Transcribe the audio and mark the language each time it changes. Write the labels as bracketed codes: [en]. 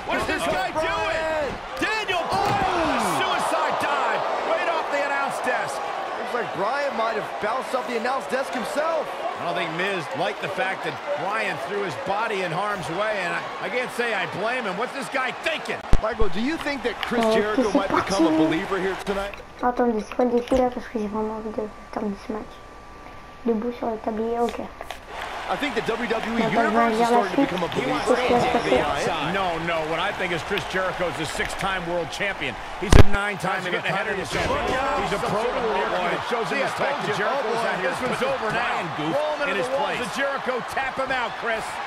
[en] What is this guy doing? Daniel Bryan! Suicide dive right off the announce desk. Looks like Bryan might have bounced off the announce desk himself. I don't think Miz liked the fact that Bryan threw his body in harm's way, and I can't say I blame him. What's this guy thinking? Michael, do you think that Chris Jericho might become a believer here tonight? [fr] Attendez, c'est quoi le défi là, parce que j'ai vraiment envie de terminer ce match. Debout sur le tablier, ok. [en] I think the WWE Universe is starting to become a believer. No, no, what I think is Chris Jericho is a 6-time world champion. He's a 9-time in the header to champion. He's a pro to the world. Shows him respect to Jericho. This one's over now. Roll him into the walls of Jericho. Tap him out, Chris.